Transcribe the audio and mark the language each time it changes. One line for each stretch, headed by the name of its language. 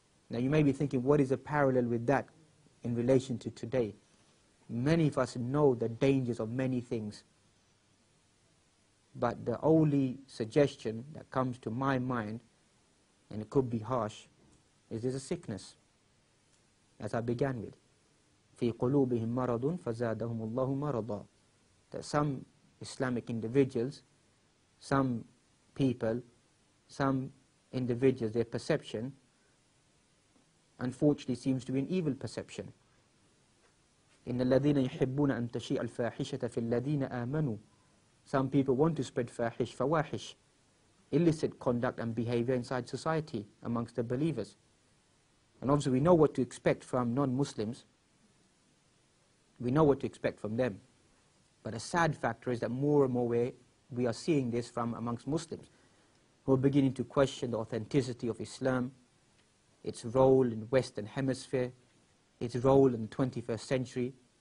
English: Now you may be thinking, what is the parallel with that in relation to today? Many of us know the dangers of many things. But the only suggestion that comes to my mind, and it could be harsh, is this a sickness, as I began with.
Arabic: في قلوبهم مرض فزادهم الله مرضا.
English: That some Islamic individuals, some people, some individuals, their perception unfortunately seems to be an evil perception.
Arabic: إن الذين يحبون أن تشيء الفاحشة في الذين آمنوا.
English: Some people want to spread fahish, fawahish, illicit conduct and behavior inside society amongst the believers. And obviously we know what to expect from non-Muslims. We know what to expect from them. But a sad factor is that more and more we are seeing this from amongst Muslims who are beginning to question the authenticity of Islam, its role in Western Hemisphere, its role in the 21st century.